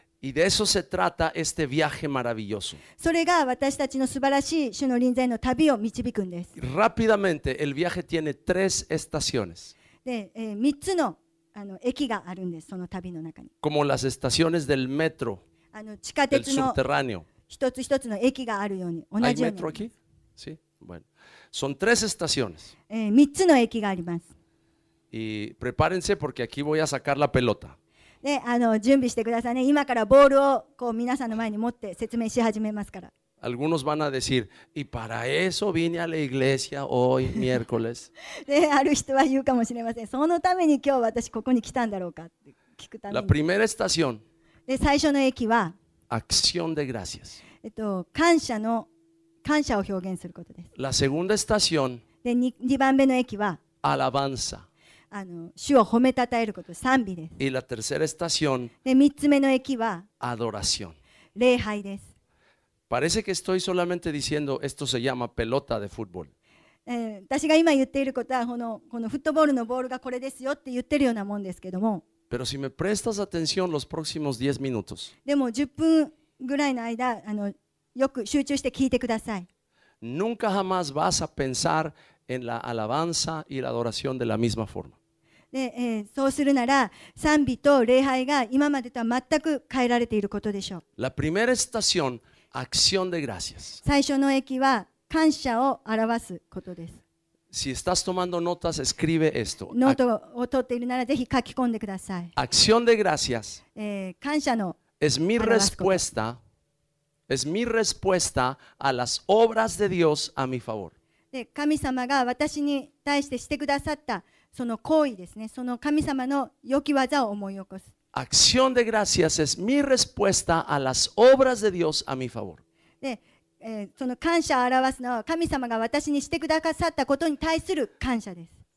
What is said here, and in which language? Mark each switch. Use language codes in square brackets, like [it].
[es] Y de eso se trata este viaje maravilloso. [ja] それが私たちの素晴らしい主の臨在の旅を導くんです。 [es] Rápidamente, el viaje tiene tres estaciones. [ja] で、3つの、駅があるんです、その旅の中に。 [es] Como las estaciones del metro, [ja] 地下鉄の [es] el subterráneo. [ja] 一つ一つの駅があるように、同じように。 [es] Sí, bueno. Son tres estaciones. [ja] 3つの駅があります。 [es] Y prepárense porque aquí voy a sacar la pelota. [ja] で、準備してくださいね。今からボールをこう皆さんの前に持って説明し始めますから。 [es] Algunos van a decir, y para eso vine a la iglesia hoy, miércoles. [ja] で、ある人は言うかもしれません。そのために今日私ここに来たんだろうかって聞くために。 [es] La primera estación. [ja] で、最初の駅は。 [es] Acción de gracias. [ja] 感謝の感謝を表現することです。 [es] La segunda estación, [ja] で 2番目の駅は、 [es] alabanza. [ja] 主を褒めたたえること、賛美です。 [es] Y la tercera estación, [ja] で3つ目の駅は、 [es] adoración. [ja] 礼拝です。 [es] Parece que estoy solamente diciendo, esto se llama pelota de fútbol. [ja] 私が今言っていることは、このフットボールのボールがこれですよって言ってるようなもんですけども。 [es] Pero si me prestas atención los próximos 10 minutos. [ja] でも10分ぐらいの間、よく集中して聞いてください。 [es] Nunca jamás vas a pensar en la alabanza y la adoración de la misma forma. [ja] で、そうするなら、賛美と礼拝が今までとは全く変えられていることでしょう。 [es] La primera estación, acción de gracias. [ja] 最初の駅は感謝を表すことです。 [es] Si estás tomando notas, escribe esto. [ja] Noto を取っているならぜひ書き込んでください。 [es] Acción de gracias. [ja] 感謝の。 [es] Es mi respuesta. Es mi respuesta a las obras de Dios a mi favor. [ja] で、神様が私に対してしてくださったその行為ですね。その神様の良き技を思い起こす。 [es] Acción de gracias es mi respuesta a las obras de Dios a mi favor. [ja] で、その感謝を表すのは神様が私にしてくださったことに対する感謝です。